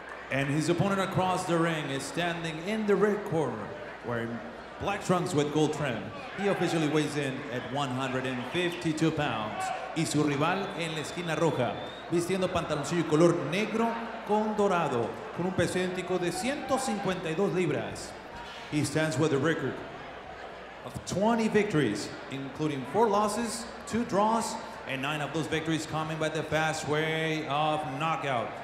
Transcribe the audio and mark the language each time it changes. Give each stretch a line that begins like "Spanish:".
English: And his opponent across the ring is standing in the red corner, wearing black trunks with gold trim. He officially weighs in at 152 pounds.
Spanish: Y su rival en la esquina roja, vistiendo pantaloncillo color negro con dorado, con un peso idéntico de 152 libras.
English: He stands with a record of 20 victories, including 4 losses, 2 draws, and 9 of those victories coming by the fast way of knockout.